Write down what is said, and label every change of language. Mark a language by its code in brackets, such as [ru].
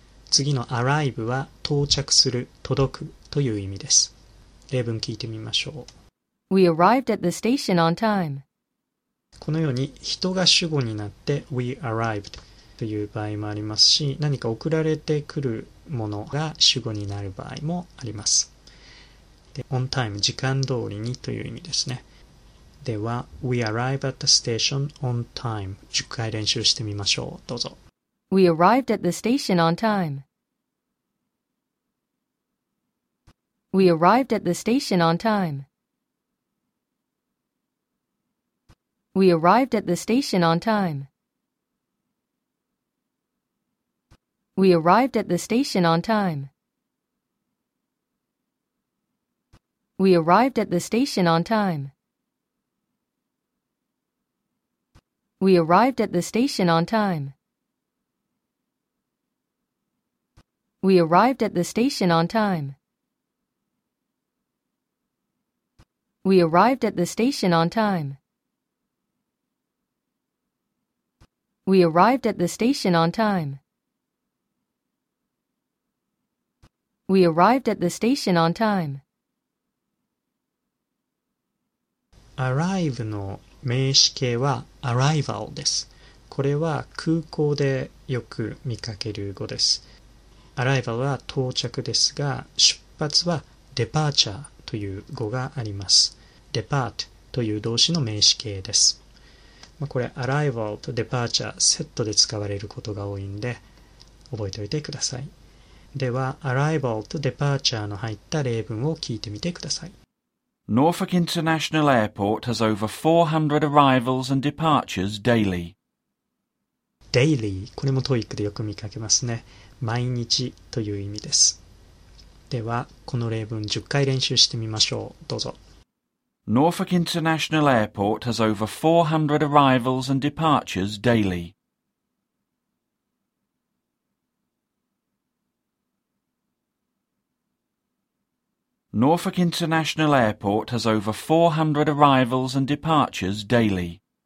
[ja] 次の arrive は到着する、届くという意味です。例文聞いてみましょう。 [en] We arrived at the station on time. [ja] このように人が主語になって [en] We arrived [ja] という場合もありますし、何か送られてくるものが主語になる場合もあります。で、 [en] On time [ja] 時間通りにという意味ですね。では [en] We arrived at the station on time [ja] 10回練習してみましょう。どうぞ。 [en] We arrived at the station on time. We arrived at the station on time. We arrived at the station on time. We arrived at the station on time. We arrived at the station on time. We arrived at the station on time. We arrived at the station on time. We arrived at the station on time. We arrived at the station on time. We arrived at the station on time. [ja] Arrive の名詞形は arrival です。これは空港でよく見かける語です。 Arrival は到着ですが、出発は departure という語があります。 Depart という動詞の名詞形です。これ arrival と departure セットで使われることが多いんで、覚えておいてください。では、arrival と departure の入った例文を聞いてみてください。 [en] Norfolk International Airport has over 400 arrivals and departures daily. [ja] Daily, これも TOEIC でよく見かけますね。毎日という意味です。では、この例文10回練習してみましょう。どうぞ。 [en] Norfolk International Airport has over 400 arrivals and departures daily. Norfolk International Airport has over 400 arrivals and departures daily.